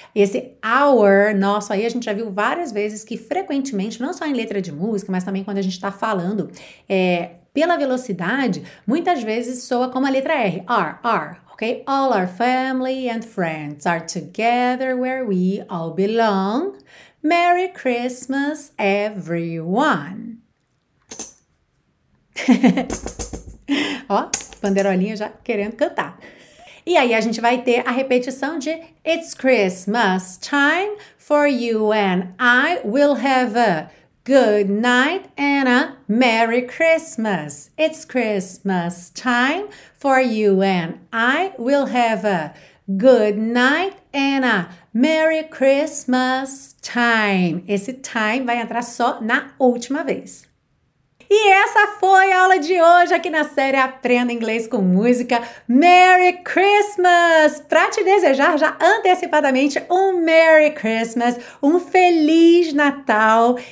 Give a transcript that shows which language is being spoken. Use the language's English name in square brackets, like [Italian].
[Portuguese] Esse our nosso aí, a gente já viu várias vezes que frequentemente, não só em letra de música, mas também quando a gente está falando pela velocidade, muitas vezes soa como a letra R, R, ok? [English] All our family and friends are together where we all belong. Merry Christmas, everyone! [Portuguese] Ó, panderolinha já querendo cantar. E aí a gente vai ter a repetição de [English] It's Christmas time for you and I will have a good night and a Merry Christmas. It's Christmas time for you and I will have a good night and a Merry Christmas time. [Portuguese] Esse time vai entrar só na última vez. E essa foi a aula de hoje aqui na série Aprenda Inglês com Música. Merry Christmas! Pra te desejar já antecipadamente um Merry Christmas, um Feliz Natal.